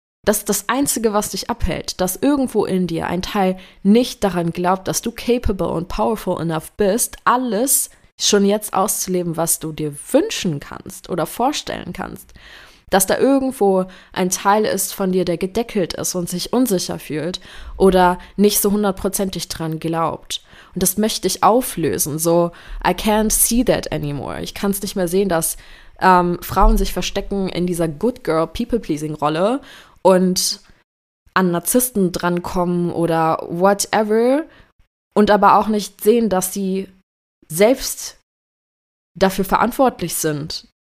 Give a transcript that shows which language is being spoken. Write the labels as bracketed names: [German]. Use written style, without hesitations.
[German] Das ist das Einzige, was dich abhält, dass irgendwo in dir ein Teil nicht daran glaubt, dass du [English] capable [German] und [English] powerful enough [German] bist, alles schon jetzt auszuleben, was du dir wünschen kannst oder vorstellen kannst. Dass da irgendwo ein Teil ist von dir, der gedeckelt ist und sich unsicher fühlt oder nicht so hundertprozentig dran glaubt. Und das möchte ich auflösen. [English] So, I can't see that anymore. [German] Ich kann es nicht mehr sehen, dass Frauen sich verstecken in dieser Good Girl People-Pleasing-Rolle und an Narzissten drankommen oder whatever und aber auch nicht sehen, dass sie selbst dafür verantwortlich sind.